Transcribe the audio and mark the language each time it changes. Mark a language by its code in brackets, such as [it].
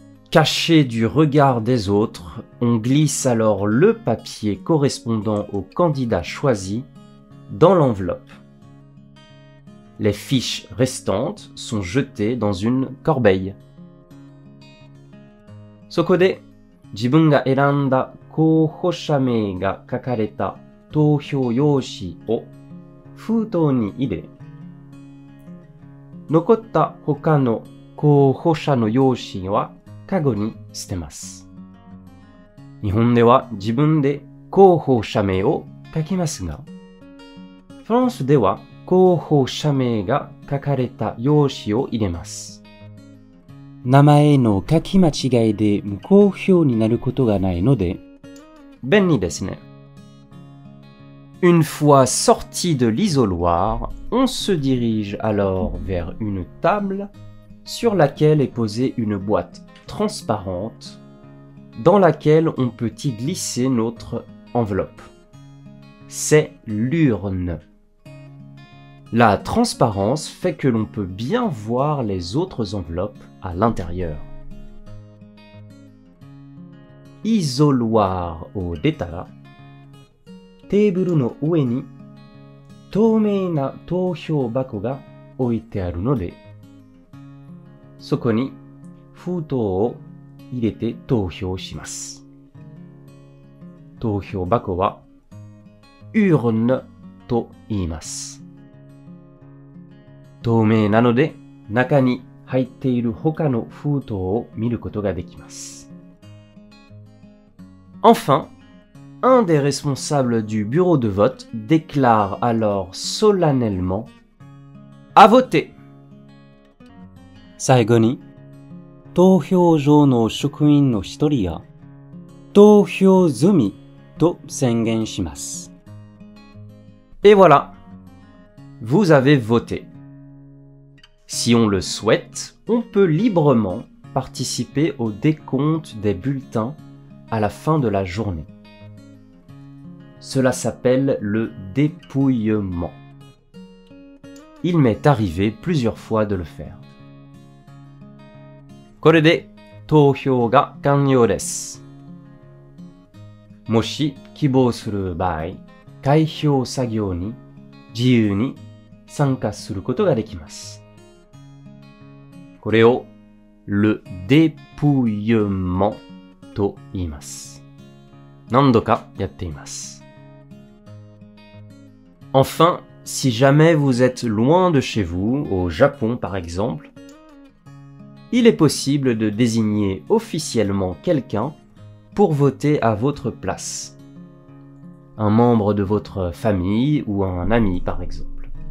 [fr] Caché du regard des autres, on glisse alors le papier correspondant au candidat choisi dans l'enveloppe. Les fiches restantes sont jetées dans une corbeille. [ja] そこで、自分が選んだ候補者名が書かれた投票用紙を封筒に入れ、残った他の候補者の用紙はカゴに捨てます。日本では自分で候補者名を書きますが、フランスでは候補者名が書かれた用紙を入れます。名前の書き間違いで無効票になることがないので、便利ですね。 [fr] Une fois sorti de l'isoloir, on se dirige alors vers une table sur laquelle est posée une boîte transparente dans laquelle on peut y glisser notre enveloppe. C'est l'urne. La transparence fait que l'on peut bien voir les autres enveloppes à l'intérieur. Isoloir au détail. [ja] テーブルの上に透明な投票箱が置いてあるので、そこに封筒を入れて投票します。投票箱は、 urne と言います。透明なので、中に入っている他の封筒を見ることができます。 [fr] Enfin! Un des responsables du bureau de vote déclare alors solennellement à voter. [ja] 最後に、投票所の職員の一人が投票済みと宣言します。 [fr] Et voilà, vous avez voté. Si on le souhaite, on peut librement participer au décompte des bulletins à la fin de la journée. Cela s'appelle le dépouillement. Il m'est arrivé plusieurs fois de le faire. [ja] これで投票が完了です。もし希望する場合、開票作業に自由に参加することができます。これをle dépouillement と言います。何度かやっています。 [fr] Enfin, si jamais vous êtes loin de chez vous, au Japon par exemple, il est possible de désigner officiellement quelqu'un pour voter à votre place. Un membre de votre famille ou un ami par exemple.